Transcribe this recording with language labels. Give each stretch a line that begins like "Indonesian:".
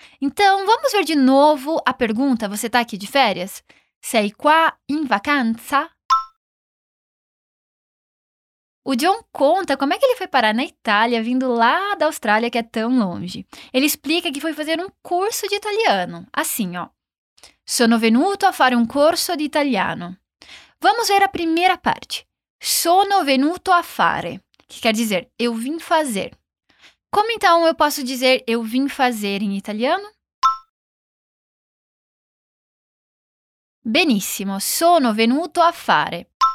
Portuguese: Então, vamos ver de novo a pergunta, você está aqui de férias?
Italian: Sei qua in vacanza?
Portuguese: O John conta como é que ele foi parar na Itália, vindo lá da Austrália, que é tão longe. Ele explica que foi fazer um curso de italiano. Assim, ó.
Italian: Sono venuto a fare un corso di italiano.
Portuguese: Vamos ver a primeira parte.
Italian: Sono venuto a fare.
Portuguese: Que quer dizer, eu vim fazer. Como então eu posso dizer eu vim fazer em italiano?
Italian: Benissimo. Sono venuto a fare.